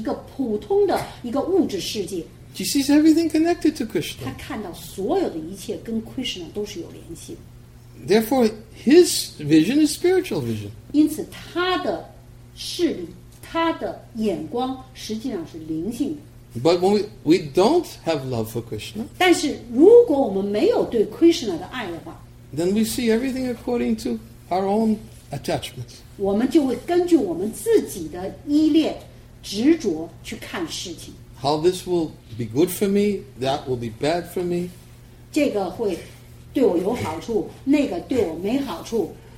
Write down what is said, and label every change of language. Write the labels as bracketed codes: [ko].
[zh] 他在他的眼里看到的不再是一个普通的一个物质世界。 [en] He sees everything connected to Krishna. [zh] 他看到所有的一切跟 Krishna 都是有联系。 [en] Therefore, his vision is spiritual vision. [zh] 因此他的视力，他的眼光实际上是灵性的。 [en] But when we don't have love for Krishna, [zh] 但是如果我们没有对Krishna的爱的话, [en] then we see everything according to our own attachments. [zh] 我们就会根据我们自己的依恋执着去看事情。 [en] How this will be good for me, that will be bad for me. [zh] 这个会对我有好处, 那个对我没好处。